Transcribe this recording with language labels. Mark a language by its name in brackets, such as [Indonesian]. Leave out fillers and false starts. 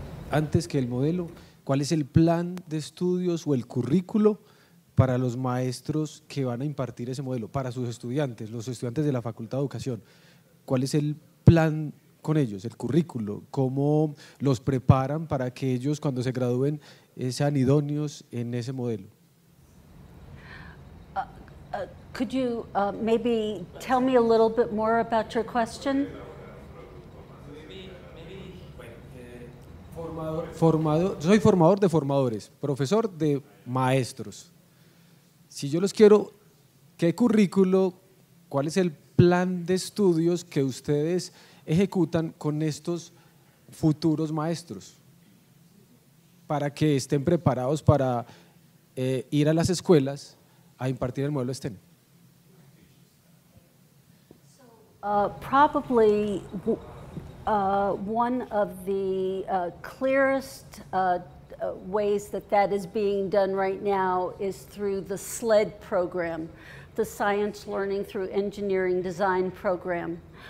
[Spanish] Antes que el modelo, ¿cuál es el plan de estudios o el currículo para los maestros que van a impartir ese modelo, para sus estudiantes, los estudiantes de la Facultad de Educación? ¿Cuál es el plan con ellos, el currículo? ¿Cómo los preparan para que ellos, cuando se gradúen, sean idóneos en ese modelo? [English] Could you maybe tell me a little bit more about your question? [Spanish] Soy formador de formadores, profesor de maestros. Si yo los quiero, ¿qué currículo, cuál es el plan de estudios que ustedes ejecutan con estos futuros maestros para que estén preparados para ir a las escuelas a impartir el modelo STEM? [English] Probably one of the clearest ways that is being done right now is through the SLED program, the Science Learning Through Engineering Design program.